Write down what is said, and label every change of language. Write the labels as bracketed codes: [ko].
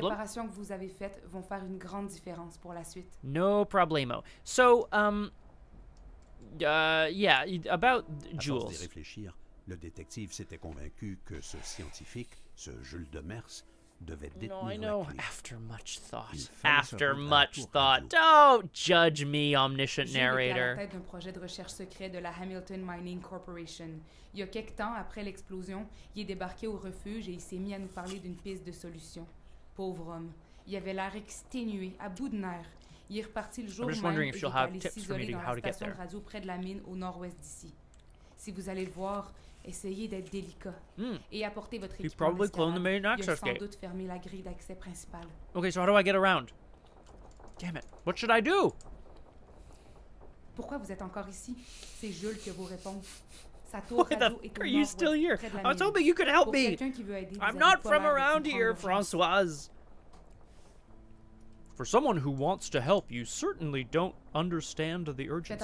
[fr] Les réparations que vous avez faites vont faire une grande différence pour la suite. [en] No problemo. So, yeah, about Jules. [fr] À force d'y réfléchir, le détective s'était convaincu que ce scientifique, ce Jules de Mers, devait détenir la clé. [en] No, I know. After much thought. After much thought. Don't judge me, omniscient narrator. [fr] J'ai été à la tête d'un projet de recherche secret de la Hamilton Mining Corporation. Il y a quelque temps après l'explosion, il est débarqué au refuge et il s'est mis à nous parler d'une piste de solution. Pauvre homme. Il avait l'air exténué, à bout de nerfs. Il est reparti le jour même et il est allé s'isoler dans la station de radio près de la mine au nord-ouest d'ici. Si vous allez le voir, essayez d'être délicat et apportez votre équipement d'escalade. Il a sans doute fermé la grille d'accès principale. [en] Okay, so how do I get around? Damn it. What should I do? [fr] Pourquoi vous êtes encore ici? C'est Jules qui vous répond. [en] Why the fuck are you still here? I was hoping you could help me. I'm not from around here, Françoise. For someone who wants to help, you certainly don't understand the urgency.